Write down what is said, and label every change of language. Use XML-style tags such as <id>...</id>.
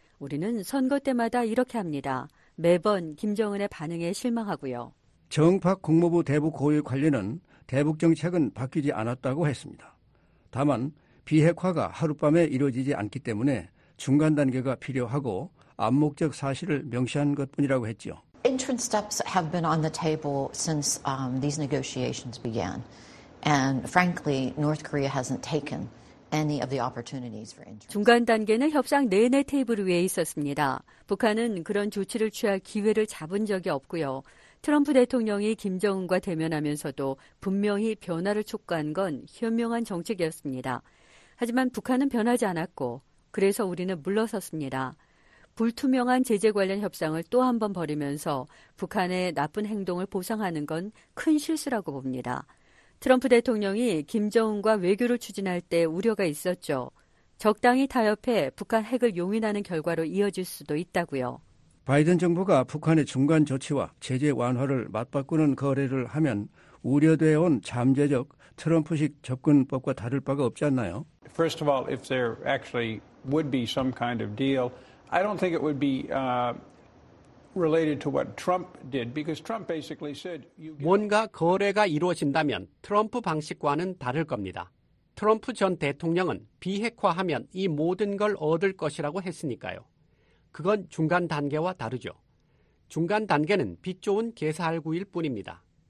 <ko>우리는 선거 때마다 이렇게 합니다. 매번 김정은의 반응에 실망하고요. 정박 국무부 대북 고위 관리는 대북 정책은 바뀌지 않았다고 했습니다. 다만 비핵화가 하룻밤에 이루어지지 않기 때문에 중간 단계가 필요하고 암묵적 사실을 명시한 것뿐이라고 했죠.</ko> <en>Interim steps have been on the table since these negotiations began. And frankly, North Korea hasn't taken any of the opportunities for interim.</en> <ko>중간 단계는 협상 내내 테이블 위에 있었습니다. 북한은 그런 조치를 취할 기회를 잡은 적이 없고요. 트럼프 대통령이 김정은과 대면하면서도 분명히 변화를 촉구한 건 현명한 정책이었습니다. 하지만 북한은 변하지 않았고 그래서 우리는 물러섰습니다. 불투명한 제재 관련 협상을 또 한 번 벌이면서 북한의 나쁜 행동을 보상하는 건 큰 실수라고 봅니다. 트럼프 대통령이 김정은과 외교를 추진할 때 우려가 있었죠. 적당히 타협해 북한 핵을 용인하는 결과로 이어질 수도 있다고요. 바이든 정부가 북한의 중간 조치와 제재 완화를 맞바꾸는 거래를 하면 우려되어 온 잠재적 트럼프식 접근법과 다를 바가 없지 않나요?</ko> <en>First of all, if there actually would be some kind of deal, I don't think it would be related to what Trump did because Trump basically said</en> <ko>뭔가 거래가 이루어진다면 트럼프 방식과는 다를 겁니다. 트럼프 전 대통령은 비핵화하면 이 모든 걸 얻을 것이라고 했으니까요. 그건 중간 단계와 다르죠. 중간 단계는 빚 좋은 개사할구일 뿐입니다.</ko>